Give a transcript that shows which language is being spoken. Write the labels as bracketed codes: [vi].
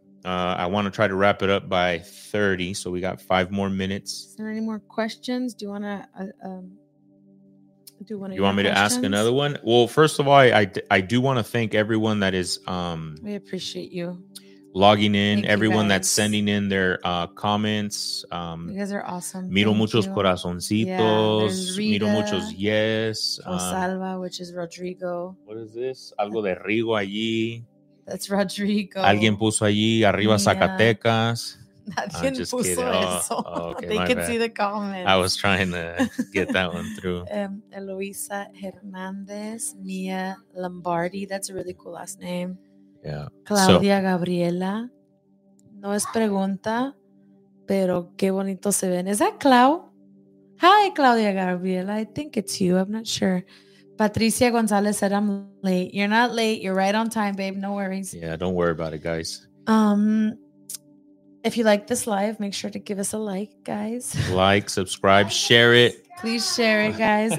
[en] I want to try to wrap it up by 30, so we got 5 more minutes. Is there any more questions? Do you want to do one? You want me questions? To ask another one? Well, first of all, I do want to thank everyone that is. We appreciate you logging in. Thank everyone that's sending in their comments. You guys are awesome. [es] Miro muchos corazoncitos. Yeah, Rita, miro muchos yes. [en] Rosalba, which is Rodrigo. What is this? [es] Algo de Rigo allí. [en] That's Rodrigo. [es] Alguien puso allí arriba yeah. Zacatecas. Alguien puso kidding. Eso. [en] Oh, okay, they can bad. See the comments. I was trying to get that one through. Eloisa Hernandez, Mia Lombardi. That's a really cool last name. Yeah. Claudia so, Gabriela. [es] No es pregunta, pero qué bonito se ven. [en] Is that Clau? Hi, Claudia Gabriela. I think it's you. I'm not sure. Patricia Gonzalez said, I'm late. You're not late. You're right on time, babe. No worries. Yeah, don't worry about it, guys. If you like this live, make sure to give us a like, guys. Like, subscribe, share it. Please share it, guys.